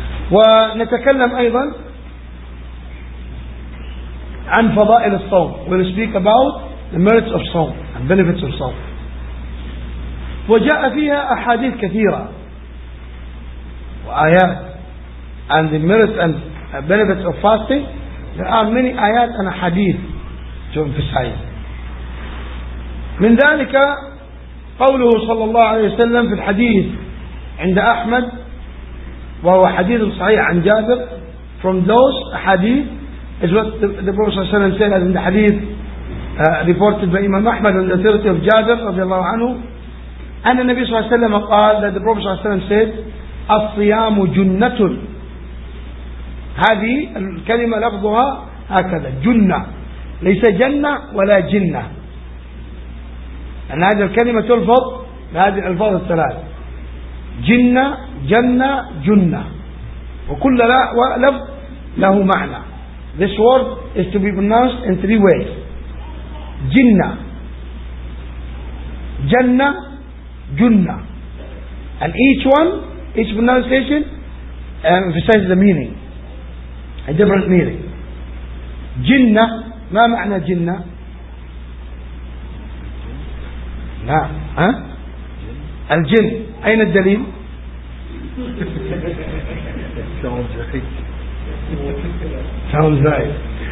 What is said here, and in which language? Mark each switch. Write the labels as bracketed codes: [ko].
[ar] ونتكلم أيضا عن فضائل الصوم. [en] We'll speak about the merits of صوم and benefits of صوم. [ar] وجاء فيها أحاديث كثيرة وآيات عن [en] the merits and benefits of fasting. There are many آيات and حديث to emphasize. [ar] من ذلك قوله صلى الله عليه وسلم في الحديث عند أحمد وهو حديث صحيح عن جابر. [en] From those أحاديث is what the Prophet [ar] صلى الله عليه وسلم [en] said in the حديث reported by Imam Ahmad and the authority of Jabir [ar] رضي الله عنه. أن النبي صلى الله عليه وسلم قال [en] that the Prophet [ar] صلى الله عليه وسلم [en] said [ar] الصيام جنة. هذه الكلمة لفظها هكذا جنة ليس جنة ولا جنة. أن هذه الكلمة تلفظ بهذه الألفاظ الثلاث جنة جنة جنة وكل لفظ له معنى. [en] This word is to be pronounced in three ways. [ar] جنة جنة جنة. [en] And each one, each pronunciation emphasizes the meaning, a different meaning. [ar] جنة ما معنى جنة؟ لا ها؟ الجن أين الدليل؟ [en] sounds right.